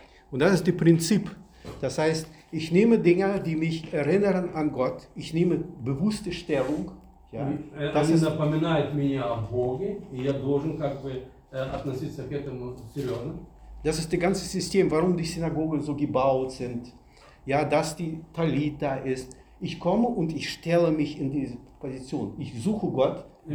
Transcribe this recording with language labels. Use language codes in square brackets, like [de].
[de] Und das ist das Prinzip. Das heißt, ich nehme Dinge, die mich erinnern an Gott. Ich nehme bewusste Stellung. Ja, das ist, [ru] напоминает меня о Боге, и я должен как бы относиться к этому серьезно. [de] Das ist das ganze System, warum die Synagogen so gebaut sind. Ja, dass die Talita ist. Ich komme und ich stelle mich in diese Position. Ich suche Gott.